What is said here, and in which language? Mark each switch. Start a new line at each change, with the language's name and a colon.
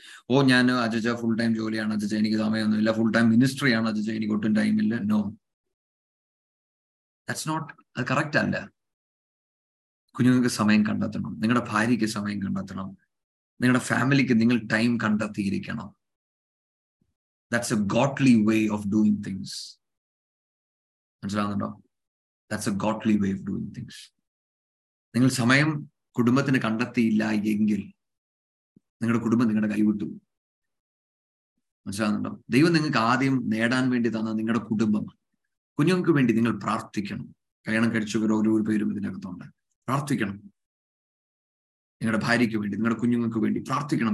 Malayalam: ഓ, ഞാൻ അജജ full time ജോലിയാണ് അജജ, എനിക്ക് സമയമൊന്നും ഇല്ല. ഫുൾ ടൈം മിനിസ്ട്രിയാണ് അജജ, എനിക്ക് ഒട്ടും ടൈമില്ല.
English: no, that's not,
Malayalam: അത് കറക്റ്റ് അല്ല. കുഞ്ഞുങ്ങൾക്ക് സമയം കണ്ടെത്തണം, നിങ്ങളുടെ ഭാര്യയ്ക്ക് സമയം കണ്ടെത്തണം, നിങ്ങളുടെ ഫാമിലിക്ക് നിങ്ങൾ time കണ്ടെത്തിയിരിക്കണം.
English: That's a godly way of doing things.
Malayalam: മനസ്സിലാവുന്നുണ്ടോ?
English: That's a godly way of doing things.
Malayalam: നിങ്ങൾ സമയം കുടുംബത്തിന് കണ്ടെത്തിയില്ല എങ്കിൽ നിങ്ങളുടെ കുടുംബം നിങ്ങളുടെ കൈവിട്ടു. മനസ്സിലാവുന്നുണ്ടോ? ദൈവം നിങ്ങൾക്ക് ആദ്യം നേടാൻ വേണ്ടി തന്ന നിങ്ങളുടെ കുടുംബം. കുഞ്ഞുങ്ങൾക്ക് വേണ്ടി നിങ്ങൾ പ്രാർത്ഥിക്കണം. കയ്യണം കഴിച്ചവർ ഓരോരു പേരും ഇതിനകത്തുണ്ട്. പ്രാർത്ഥിക്കണം. നിങ്ങളുടെ ഭാര്യയ്ക്ക് വേണ്ടി, നിങ്ങളുടെ കുഞ്ഞുങ്ങൾക്ക് വേണ്ടി പ്രാർത്ഥിക്കണം.